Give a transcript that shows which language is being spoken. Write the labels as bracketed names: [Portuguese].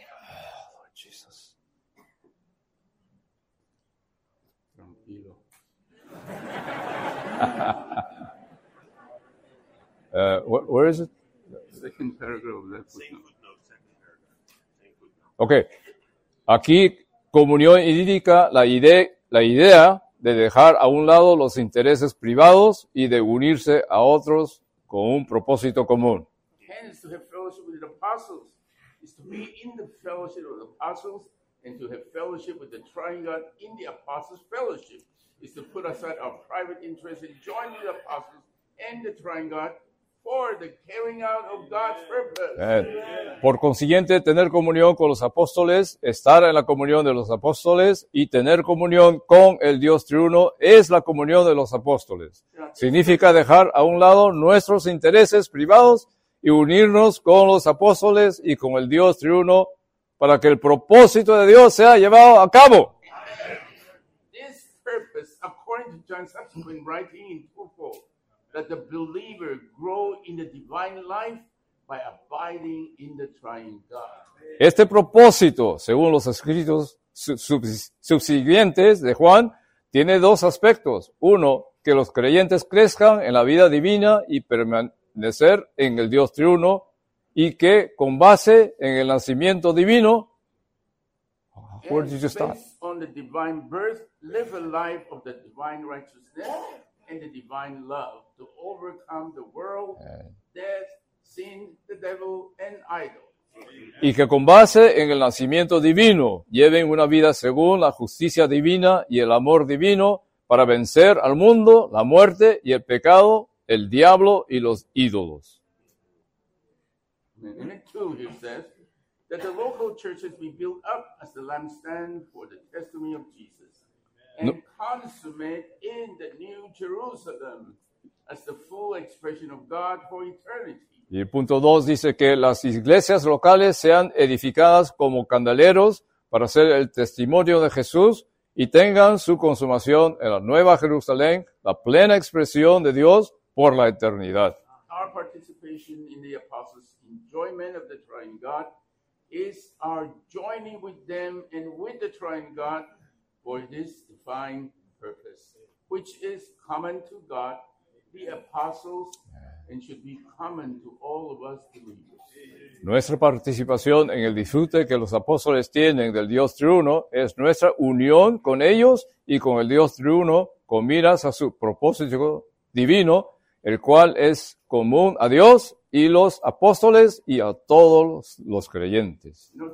[English] Oh, Lord Jesus. [Spanish] Tranquilo. [English] Where is it? Second paragraph of that footnote. Same footnote, second paragraph. Okay. [Spanish] Aquí, comunión indica la idea de dejar a un lado los intereses privados y de unirse a otros con un propósito común. [English] Hence, to have fellowship with the apostles is to be in the fellowship of the apostles, and to have fellowship with the triune God in the apostles' fellowship is to put aside our private interests and join with the apostles and the triune God for the carrying out of God's purpose. Amen. [Spanish] Por consiguiente, tener comunión con los apóstoles, estar en la comunión de los apóstoles y tener comunión con el Dios triuno es la comunión de los apóstoles. Significa dejar a un lado nuestros intereses privados y unirnos con los apóstoles y con el Dios triuno para que el propósito de Dios sea llevado a cabo. [English] This purpose, according to John's subsequent writing in 2:4, that the believer grow in the divine life by abiding in the triune God. [Spanish] Este propósito, según los escritos subsiguientes de Juan, tiene dos aspectos. Uno, que los creyentes crezcan en la vida divina y permanecer en el Dios triuno, y que con base en el nacimiento divino, [English] where did you start? Based on the divine birth, live a life of the divine righteousness and the divine love to overcome the world, death, sin, the devil, and idols. [Spanish] Y que con base en el nacimiento divino, lleven una vida según la justicia divina y el amor divino para vencer al mundo, la muerte y el pecado, el diablo y los ídolos. [English] In it too, he says, that the local churches be built up as the lampstand for the testimony of Jesus, and consummate in the new Jerusalem as the full expression of God for eternity. [Spanish] Y el punto 2 dice que las iglesias locales sean edificadas como candeleros para ser el testimonio de Jesús y tengan su consumación en la nueva Jerusalén, la plena expresión de Dios por la eternidad. [English] Our participation in the apostles' enjoyment of the triune God is our joining with them and with the triune God for this divine purpose, which is common to God, the apostles, and should be common to all of us believers. [Spanish] Nuestra participación en el disfrute que los apóstoles tienen del Dios triuno es nuestra unión con ellos y con el Dios triuno con miras a su propósito divino, el cual es común a Dios y los apóstoles y a todos los creyentes.